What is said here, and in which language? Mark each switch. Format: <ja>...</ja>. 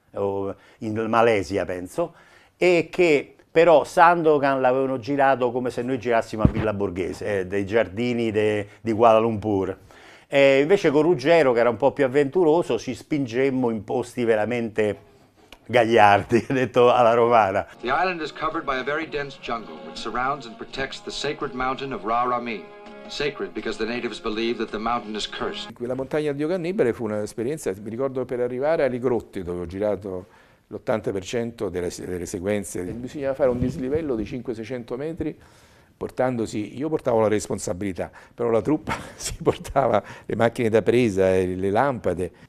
<it>O in Malesia, penso. E che... Però Sandokan l'avevano girato come se noi girassimo a Villa Borghese, dei giardini di Kuala Lumpur. E invece con Ruggero, che era un po' più avventuroso, ci spingemmo in posti veramente gagliardi, detto alla romana.</it> <en>The island is covered by a very dense jungle which surrounds and protects the sacred mountain of Rarami. Sacred because the natives believe that the mountain is cursed.</en> <it>Quella montagna di Cannibale fu un'esperienza, mi ricordo, per arrivare alle grotte dove ho girato l'80% delle sequenze. Bisognava fare un dislivello di 500-600 metri, portandosi, io portavo la responsabilità, però la truppa si portava le macchine da presa e le lampade.</it>